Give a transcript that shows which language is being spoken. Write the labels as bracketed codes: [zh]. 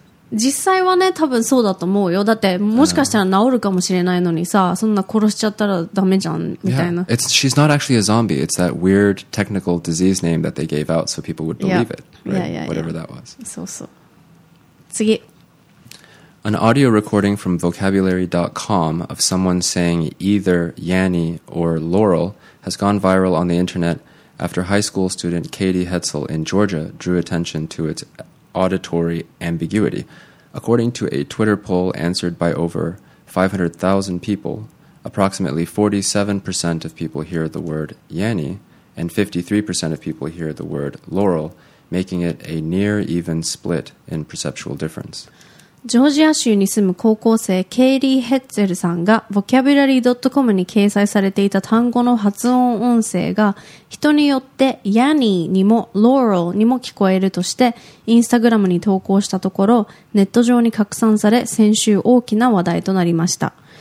[ja] 実際はね、多分そうだと思うよ。だって、もしかしたら治るかもしれないのにさ、そんな殺しちゃったらダメじゃん、みたいな。 [en] Yeah. It's, she's not actually a zombie. It's that weird technical disease name that they gave out so people would believe it. Right? Yeah, yeah, whatever yeah. that was. [ja] そうそう。次。 [en] An audio recording from vocabulary.com of someone saying either Yanny or Laurel has gone viral on the internet after high school student Katie Hetzel in Georgia drew attention to its... auditory ambiguity. According to a Twitter poll answered by over 500,000 people, approximately 47% of people hear the word Yanny and 53% of people hear the word Laurel, making it a near even split in perceptual difference. [ja] ジョージア州に住む高校生ケイリー・ヘッツェルさんが vocabulary.com に掲載されていた単語の発音音声が人によってヤニーにもローラルにも聞こえるとしてインスタグラムに投稿したところネット上に拡散され先週大きな話題となりました。